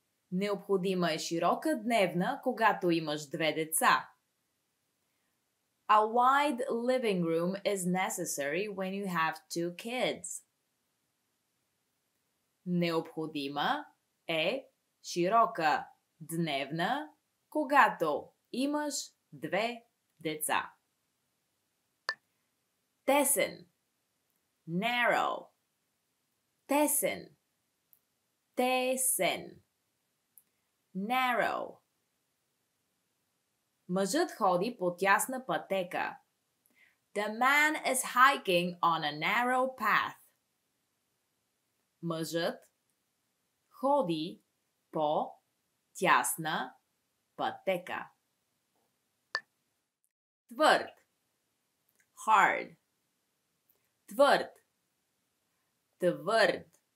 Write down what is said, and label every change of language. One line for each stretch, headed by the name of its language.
Bulgarian: Необходима е широка дневна, когато имаш две деца.
English: A wide living room is necessary when you have two kids.
Bulgarian: Необходима е широка дневна, когато имаш две деца. Тесен.
English: Narrow.
Bulgarian: Тесен. Тесен.
English: narrow.
Bulgarian: Мъжът ходи по тясна пътека.
English: The man is hiking on a narrow path.
Bulgarian: Мъжът ходи по тясна пътека. Твърд.
English: Hard.
Bulgarian: Твърд. Твърд.